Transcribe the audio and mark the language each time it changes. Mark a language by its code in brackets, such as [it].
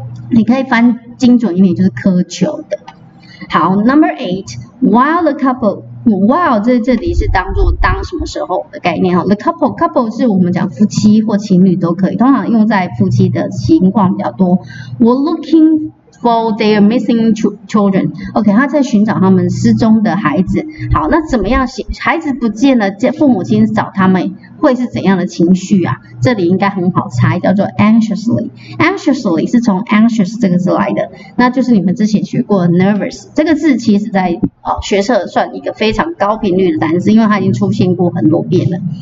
[zh] 你可以翻精准一点，就是苛求的。 [en] 好 ，Number eight，while the couple。 [zh] Wow， 这里是当作当什么时候的概念哈。 The couple 是我们讲夫妻或情侣都可以，通常用在夫妻的情况比较多。 [en] We're looking for their missing children. [zh] OK, 他在寻找他们失踪的孩子。好，那怎么样孩子不见了，父母亲找他们会是怎样的情绪啊？这里应该很好猜，叫做 anxiously。Anxiously 是从 anxious 这个字来的，那就是你们之前学过 nervous 这个字，其实在学测算一个非常高频率的单词，因为它已经出现过很多遍了。